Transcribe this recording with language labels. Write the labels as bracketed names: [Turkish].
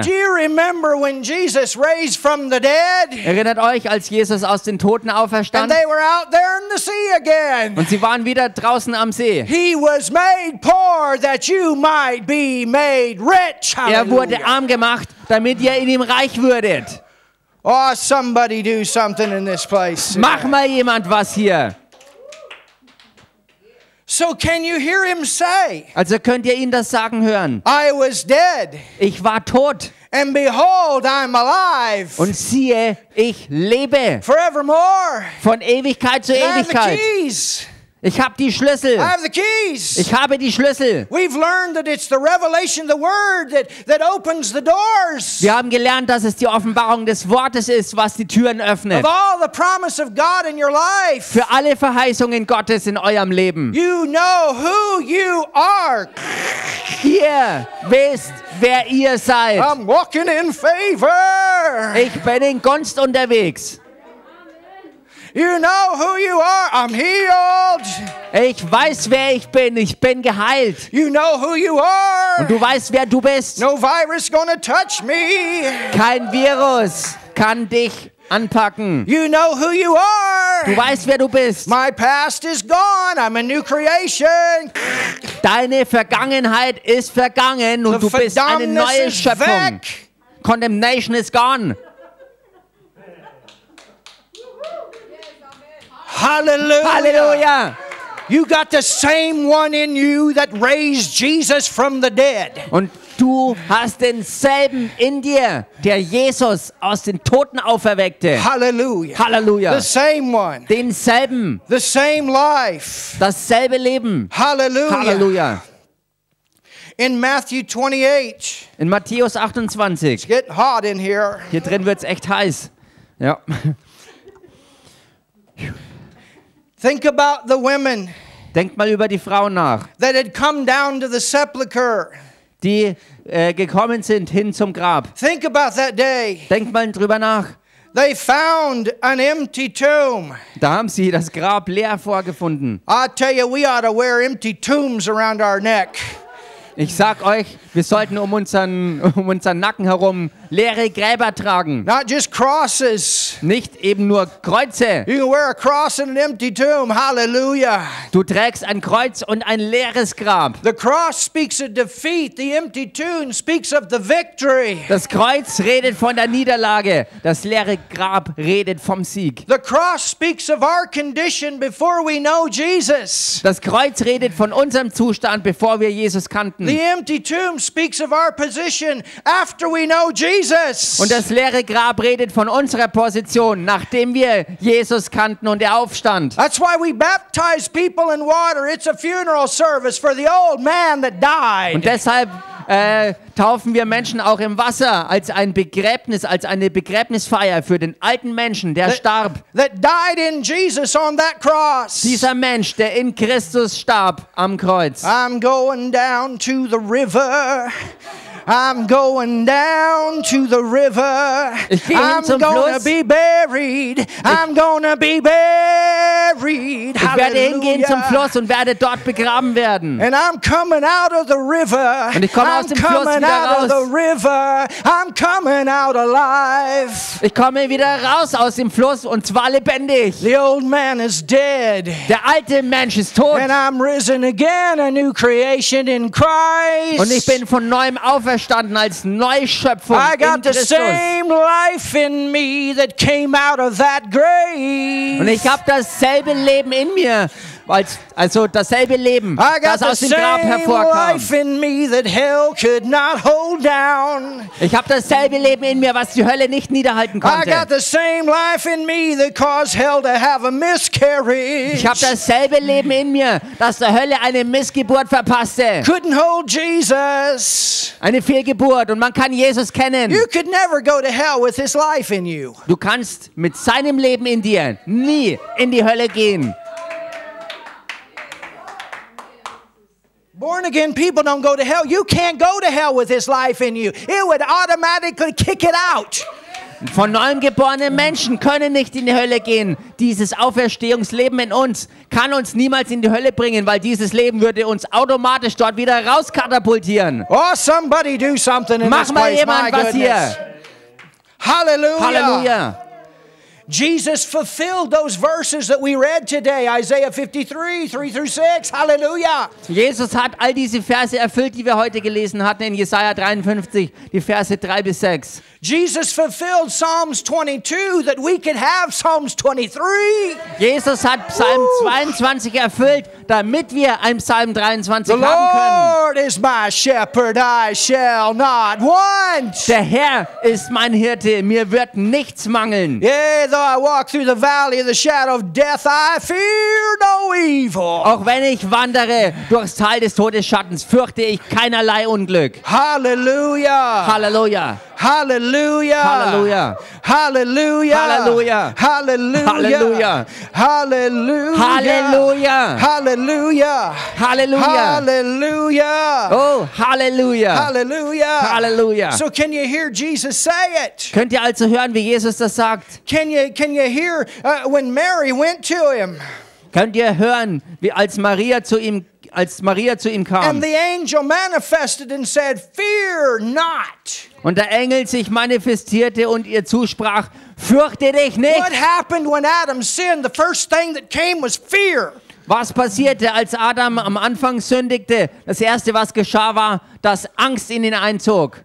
[English] Do you remember when Jesus raised from the dead? [German] Erinnert euch, als Jesus aus den Toten auferstand? [English] And they were out there in the sea again. [German] Und sie waren wieder draußen am See. [English] He was made poor that you might be made rich. [German] Er wurde arm gemacht, damit ihr in ihm reich würdet. [English] Oh, somebody do something in this place. [German] Mach mal jemand was hier. [English] So can you hear him say? [German] Also könnt ihr ihn das sagen hören? [English] I was dead. [German] Ich war tot. [English] And behold, I'm alive. [German] Und siehe, ich lebe. [English] Forevermore. [German] Von Ewigkeit zu Ewigkeit. [English] And I have the keys. [German] Ich habe die Schlüssel. [English] I have the keys. [German] Ich habe die Schlüssel. [English] We've learned that it's the revelation, the word that opens the doors. [German] Wir haben gelernt, dass es die Offenbarung des Wortes ist, was die Türen öffnet. [English] Of all the promise of God in your life. [German] Für alle Verheißungen Gottes in eurem Leben. [English] You know who you are. [German] Ihr wisst, wer ihr seid. [English] I'm walking in favor. [German] Ich bin in Gunst unterwegs. [English] You know who you are. I'm healed. [German] Ich weiß, wer ich bin. Ich bin geheilt. [English] You know who you are. [German] Und du weißt, wer du bist. [English] No virus gonna touch me. [German] Kein Virus kann dich anpacken. [English] You know who you are. [German] Du weißt, wer du bist. [English] My past is gone. I'm a new creation. [German] Deine Vergangenheit ist vergangen und du bist eine neue Schöpfung. [English] Condemnation is gone. Hallelujah. Hallelujah. You got the same one in you that raised Jesus from the dead. [German] Und du hast denselben in dir, der Jesus aus den Toten auferweckte. Hallelujah. Hallelujah. [English] The same one. [German] Denselben. [English] The same life. [German] Dasselbe Leben. Hallelujah. Hallelujah. [English] In Matthew 28. [German] In Matthäus 28. [English] It's getting hot in here. [German] Hier drin wird's echt heiß. Ja. [English] Think about the women. [German] Denk mal über die Frauen nach. [English] That had come down to the sepulcher. [German] Die gekommen sind hin zum Grab. [English] Think about that day. [German] Denk mal drüber nach. [English] They found an empty tomb. [German] Da haben sie das Grab leer vorgefunden. [English] I tell you, we ought to wear empty tombs around our neck. [German] Ich sag euch, wir sollten um unseren Nacken herum leere Gräber tragen. [English] Not just crosses. [German] Nicht eben nur Kreuze. [English] You can wear a cross and an empty tomb. Hallelujah. [German] Du trägst ein Kreuz und ein leeres Grab. [English] The cross speaks of defeat. The empty tomb speaks of the victory. [German] Das Kreuz redet von der Niederlage. Das leere Grab redet vom Sieg. [English] The cross speaks of our condition before we know Jesus. [German] Das Kreuz redet von unserem Zustand, bevor wir Jesus kannten. [English] The empty tomb speaks of our position after we know Jesus. [German] Und das leere Grab redet von unserer Position, nachdem wir Jesus kannten und er aufstand. [English] That's why we baptize people in water. It's a funeral service for the old man that died. [German] Und deshalb taufen wir Menschen auch im Wasser als ein Begräbnis, als eine Begräbnisfeier für den alten Menschen, der starb. [English] That died in Jesus on that cross. [German] Dieser Mensch, der in Christus starb am Kreuz. [English] I'm going down to the river. I'm going down to the river. I'm gonna be buried. I'm gonna be buried. [German] Ich werde hingehen zum Fluss und werde dort begraben werden. [English] And I'm coming out of the river. [German] Und ich komme aus dem Fluss wieder raus. [English] I'm coming out of the river. I'm coming out alive. [German] Ich komme wieder raus aus dem Fluss und zwar lebendig. [English] The old man is dead. [German] Der alte Mensch ist tot. [English] And I'm risen again, a new creation in Christ. [German] Und ich bin von neuem auferstanden. Verstanden als Neuschöpfung in Christus. [English] I got the same life in me that came out of that grave. [German] Und ich habe dasselbe Leben in mir, also dasselbe Leben, das aus dem Grab hervorkam. [English] Life in me that hell could not hold down. [German] Ich habe dasselbe Leben in mir, was die Hölle nicht niederhalten konnte. [English] I got the same life in me that caused hell to have a miscarriage. [German] Ich habe dasselbe Leben in mir, das der Hölle eine Missgeburt verpasste. [English] Couldn't hold Jesus. [German] Eine Fehlgeburt und man kann Jesus kennen. [English] You could never go to hell with his life in you. [German] Du kannst mit seinem Leben in dir nie in die Hölle gehen. [English] Born again people don't go to hell. You can't go to hell with his life in you. It would automatically kick it out. [German] Von neuem geborene Menschen können nicht in die Hölle gehen. Dieses Auferstehungsleben in uns kann uns niemals in die Hölle bringen, weil dieses Leben würde uns automatisch dort wieder rauskatapultieren. [English] Oh, somebody do something in [German] Mach [English] this place, [German] mal jemand was [English] goodness. [German] Hier. Hallelujah. Hallelujah. [English] Jesus fulfilled those verses that we read today, Isaiah 53, 3-6. Hallelujah. [German] Jesus hat all diese Verse erfüllt, die wir heute gelesen hatten in Jesaja 53, die Verse 3-6. [English] Jesus fulfilled Psalms 22 that we could have Psalms 23. [German] Jesus hat Psalm 22 erfüllt, damit wir einen Psalm 23 haben können. [English] The Lord is my shepherd, I shall not want. [German] Der Herr ist mein Hirte, mir wird nichts mangeln. [English] Yea, though I walk through the valley of the shadow of death, I fear no evil. [German] Auch wenn ich wandere durchs Tal des Todesschattens, fürchte ich keinerlei Unglück. Hallelujah. Hallelujah. Hallelujah. Hallelujah. Hallelujah. Hallelujah. Hallelujah. Hallelujah. Hallelujah. Hallelujah. Hallelujah. Hallelujah. Oh, Hallelujah. Hallelujah. Hallelujah. [English] So can you hear Jesus say it? [German] Könnt ihr also hören, wie Jesus das sagt? [English] Can you hear when Mary went to him? [German] Könnt ihr hören, wie als Maria zu ihm kam? [English] And the angel manifested and said, "Fear not." [German] Und der Engel sich manifestierte und ihr zusprach, fürchte dich nicht. [English] What happened when Adam sinned? The first thing that came was fear. [German] Was passierte, als Adam am Anfang sündigte? Das erste, was geschah, war, dass Angst in ihn einzog.